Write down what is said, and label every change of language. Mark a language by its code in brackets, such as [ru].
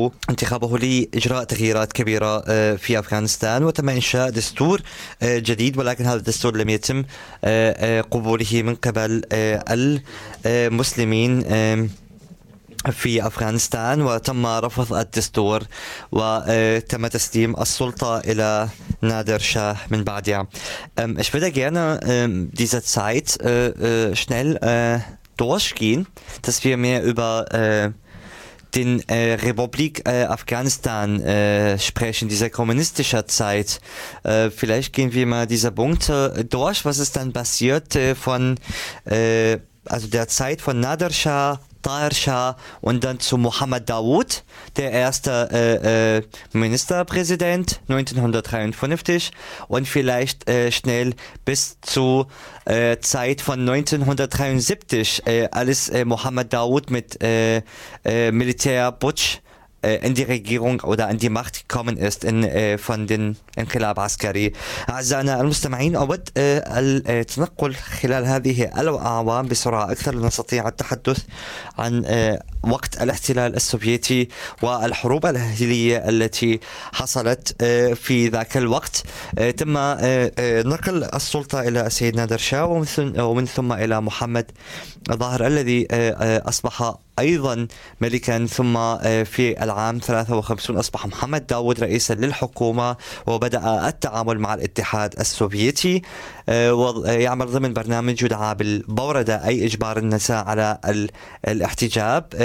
[ar] انتخابه لإجراء تغييرات كبيرة في أفغانستان، وتم إنشاء دستور جديد، ولكن هذا الدستور لم يتم قبوله من قبل المسلمين في أفغانستان، وتم رفض الدستور وتم تسليم السلطة إلى نادر شاه من بعدها. [de] Ich würde gerne diese Zeit schnell durchgehen, dass wir mehr über den Republik Afghanistan sprechen, dieser kommunistischer Zeit. Vielleicht gehen wir mal diese Punkte durch, was ist dann passiert von also der Zeit von Nader Shah, Tahir Shah und dann zu Mohammad Dawood, der erste Ministerpräsident 1953, und vielleicht schnell bis zur Zeit von 1973, als Mohammad Dawood mit Militärputsch in die Regierung oder an die Macht gekommen ist von den Inqilab Askari. [ar] Also أنا المستمعين أود التنقل خلال هذه الأعوام بسرعة أكثر لنستطيع التحدث عن وقت الاحتلال السوفيتي والحروب الأهلية التي حصلت في ذاك الوقت. تم نقل السلطة إلى السيد نادر شاه ومن ثم إلى محمد ظاهر الذي أصبح أيضا ملكا، ثم في العام 53 أصبح محمد داود رئيسا للحكومة وبدأ التعامل مع الاتحاد السوفيتي، ويعمل ضمن برنامج يدعى بالبوردة أي إجبار النساء على الاحتجاب.